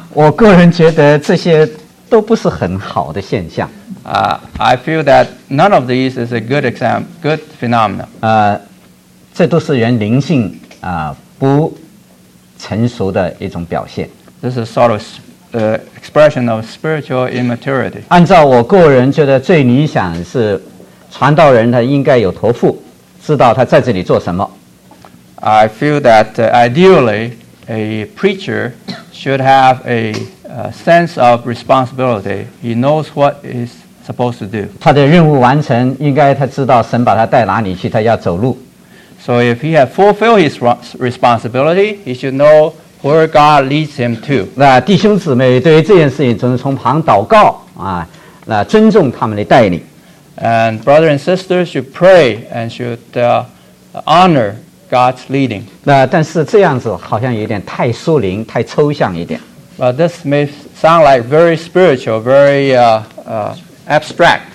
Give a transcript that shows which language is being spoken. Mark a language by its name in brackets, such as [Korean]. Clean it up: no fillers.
[Chinese] 我个人觉得这些都不是很好的现象。 [English] I feel that none of these is a good phenomenon. [Chinese] 这都是人灵性不成熟的一种表现。 [English] This is sort of expression of spiritual immaturity. [Chinese] 按照我个人觉得最理想是传道人他应该有托付，知道他在这里做什么。 [English] I feel that ideally a preacher should have a sense of responsibility. He knows what he's supposed to do. [Chinese] 他的任务完成，应该他知道神把他带哪里去，他要走路。 [English] So if he had fulfilled his responsibility, he should know where God leads him to. [Chinese] 那弟兄姊妹对于这件事情只能从旁祷告啊，那尊重他们的带领。 [English] And brother and sister should pray and should honor God's leading. [Chinese] 那但是这样子好像有点太疏灵，太抽象一点。 [English] But this may sound like very spiritual, very abstract.